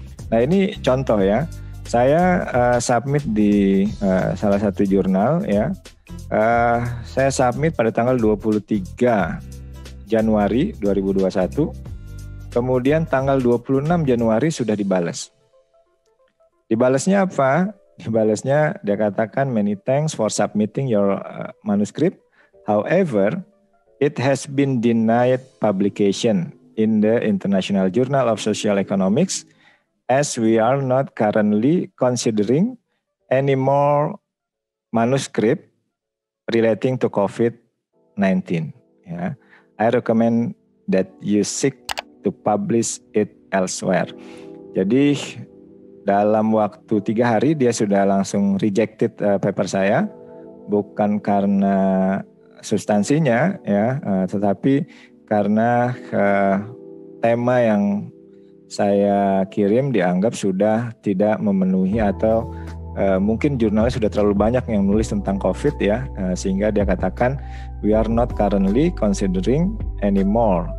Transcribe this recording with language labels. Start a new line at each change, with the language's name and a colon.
Indonesian: Nah, ini contoh ya. Saya submit di salah satu jurnal ya. Saya submit pada tanggal 23 Januari 2021. Kemudian tanggal 26 Januari sudah dibalas. Dibalasnya apa? Dibalasnya dia katakan
English: many thanks for submitting your manuscript. However, it has been denied publication in the International Journal of Social Economics as we are not currently considering any more manuscript relating to COVID-19. Ya. I recommend that you seek to publish it elsewhere.
Indonesian: Jadi dalam waktu 3 hari dia sudah langsung rejected paper saya, bukan karena substansinya ya, tetapi karena tema yang saya kirim dianggap sudah tidak memenuhi atau mungkin jurnalnya sudah terlalu banyak yang nulis tentang COVID ya, sehingga dia katakan
English: we are not currently considering anymore.